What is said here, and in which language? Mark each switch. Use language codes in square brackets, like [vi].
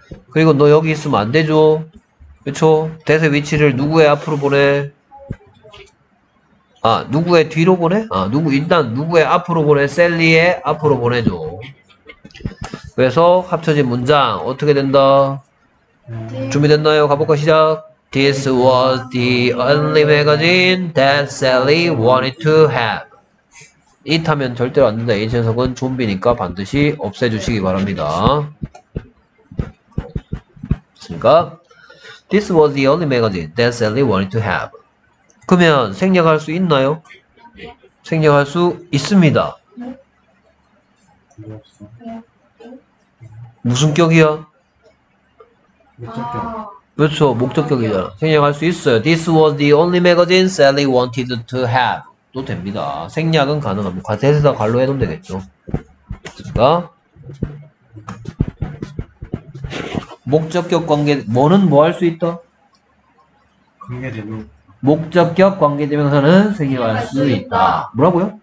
[ko] 그리고 너 여기 있으면 안 되죠. 그렇죠? 대세 위치를 누구의 앞으로 보내? 아, 누구의 뒤로 보내? 아, 누구, 일단 누구의 앞으로 보내? 셀리의 앞으로 보내줘. 그래서 합쳐진 문장, 어떻게 된다? 준비됐나요? 가볼까, 시작. [en] This was the only magazine that Sally wanted to have. [ko] It 하면 절대로 안 된다. 이 녀석은 좀비니까 반드시 없애주시기 바랍니다. 됐습니까? [en] This was the only magazine that Sally wanted to have. [ko] 그러면 생략할 수 있나요? 네. 생략할 수 있습니다. 네. 무슨 격이야? 목적격. 그렇죠. 목적격이잖아. 생략할 수 있어요. [en] This was the only magazine Sally wanted to have. [ko] 또 됩니다. 생략은 가능합니다. 대세다 갈로 해놓으면 되겠죠. 됐습니까? 목적격 관계, 뭐는 뭐 할 수 있다? 관계되면. 목적격 관계대명사는 생략할 수 있다. 뭐라고요?